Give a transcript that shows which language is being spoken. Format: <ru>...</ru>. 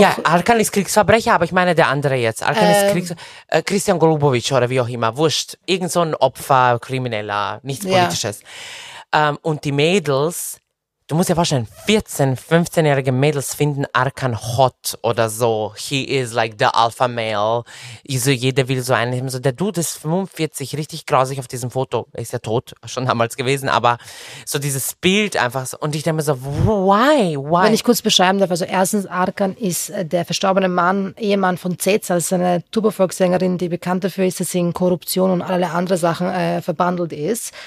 <de>Ja, Arkan ist Kriegsverbrecher, aber ich meine der andere jetzt. Arkan ist Kriegsverbrecher, Christian Golubovic oder wie auch immer, wurscht. Irgend so ein Opfer, Krimineller, nichts Politisches. Ja. Und die Mädels... Du musst ja vorstellen, 14, 15-jährige Mädels finden Arkan hot oder so.</de> <en>He is like the alpha male.</en> <de>So, jeder will so einen. So, der Dude ist 45, richtig grausig auf diesem Foto. Er ist ja tot, schon damals gewesen, aber so dieses Bild einfach. So. Und ich denke mir so, why? Wenn ich kurz beschreiben darf, also erstens, Arkan ist der verstorbene Mann, Ehemann von Cezal, also eine Turbofolk-Sängerin, die bekannt dafür ist, dass sie in Korruption und alle anderen Sachen verbandelt ist.</de>